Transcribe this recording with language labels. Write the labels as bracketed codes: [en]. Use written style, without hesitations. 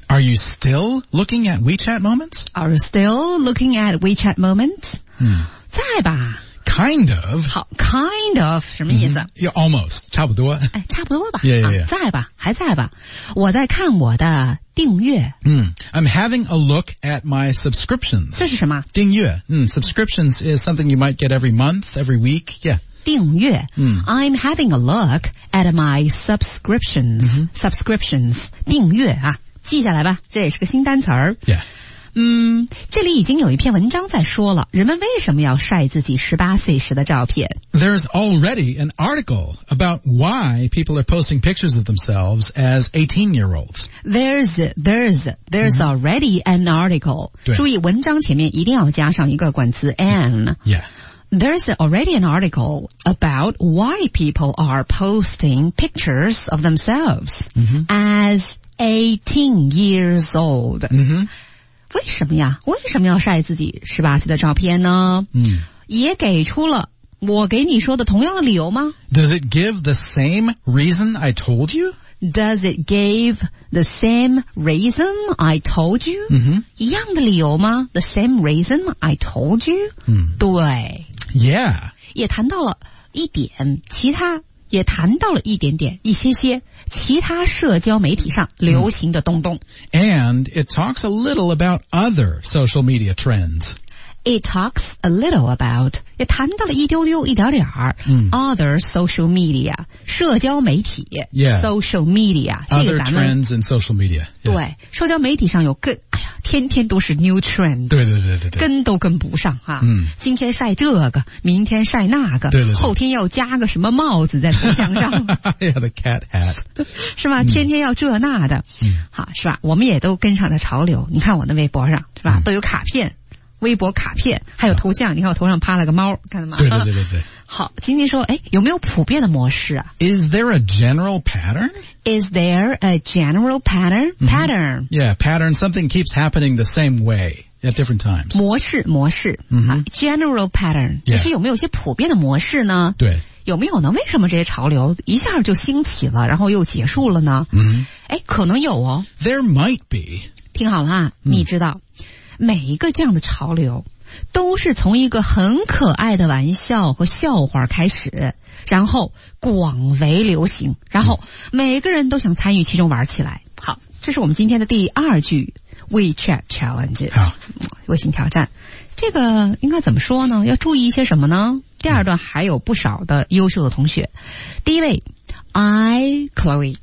[en] Are you still looking at WeChat moments? Are you still looking at WeChat moments?、嗯、 [zh] 在吧 [en] Kind of [zh] 好 kind of 什么意思、嗯、 [en] yeah, Almost [zh] 差不多诶差不多吧 [en] yeah, yeah, yeah. [zh] 啊在吧还在吧我在看我的订阅、 [en] 嗯、I'm having a look at my subscriptions [zh] 这是什么 [en] 订阅、嗯、Subscriptions is something you might get every month, every week Yeah [zh] 订阅、嗯、 [en] I'm having a look at my subscriptions、嗯、 [zh] subscriptions 订阅啊记下来吧这也是个新单词儿、 [en] yeah. [zh] 嗯这里已经有一篇文章在说了人们为什么要晒自己18岁时的照片 [en] There's already an article about why people are posting pictures of themselves as 18-year-olds There's、嗯、already an article [zh] 注意文章前面一定要加上一个冠词 an [en] Yeah There's already an article about why people are posting pictures of themselves、 mm-hmm. as 18 years old.、 Mm-hmm. [zh] 为什么呀为什么要晒自己18岁的照片呢、 mm. 也给出了我给你说的同样的理由吗 [en] Does it give the same reason I told you? Does it give the same reason I told you?、 Mm-hmm. [zh] 一样的理由吗 [en] The same reason I told you?、 Mm. [zh] 对。 [en] Yeah. [zh] 也谈到了一点其他也谈到了一点点一些些其他社交媒体上流行的东东。 Mm. [en] And it talks a little about other social media trends. It talks a little about, [zh] 也谈到了一丢丢一点点、 [en] mm. other social media, 社交媒体 yeah. social media, other trends in social media.、 [zh] Yeah. 对社交媒体上有更天天都是 new trend 对对对对对跟都跟不上哈、嗯、今天晒这个明天晒那个对对对后天要加个什么帽子在头像上 [en] yeah, the cat hat [zh] 是吧、嗯、天天要这那的、嗯、好是吧我们也都跟上了潮流你看我的微博上是吧、嗯、都有卡片微博卡片还有头像、啊、你看我头上趴了个猫看到吗对对对对对好今天说诶有没有普遍的模式啊 [en] Is there a general pattern? Is there a general pattern?、 Mm-hmm. Pattern. Yeah, pattern. Something keeps happening the same way at different times. [zh] 模式、 mm-hmm. [en] 啊、General pattern. [zh] 其实有没有一些普遍的模式呢对。有没有呢为什么这些潮流一下就兴起了然后又结束了呢嗯、mm-hmm. 诶可能有哦。 [en] There might be. [zh] 听好了啊、mm-hmm. 你知道。每一个这样的潮流都是从一个很可爱的玩笑和笑话开始然后广为流行然后每个人都想参与其中玩起来好这是我们今天的第二句 WeChat Challenges 微信挑战这个应该怎么说呢要注意一些什么呢第二段还有不少的优秀的同学第一位 I Chloe